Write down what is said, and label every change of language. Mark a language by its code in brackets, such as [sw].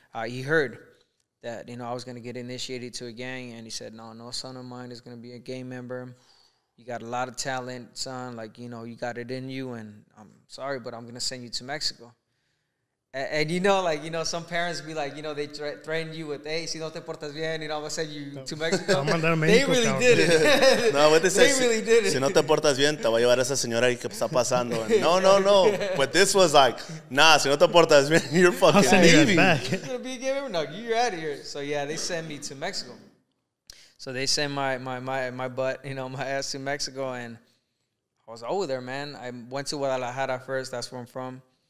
[en] He heard that, you know, I was going to get initiated to a gang, and he said, no son of mine is going to be a gang member. You got a lot of talent, son. Like, you know, you got it in you, and I'm sorry, but I'm going to send you to Mexico. And you know, like, you know, some parents be like, you know, they threaten you with, hey, [es] si no te portas bien, [en] you know, I'm going to send you to Mexico. They really did it. [es] No, [en] what they said, [es] si no te portas bien, te va a llevar esa señora que está pasando. [en] And no. But this was like, nah, [es] si no te portas bien, [en] you're fucking leaving. You're going to be a game member? No, you're out of here. So, yeah, they sent me to Mexico. So they sent my butt, you know, my ass to Mexico. And I was over there, man. I went to Guadalajara first. That's where I'm from.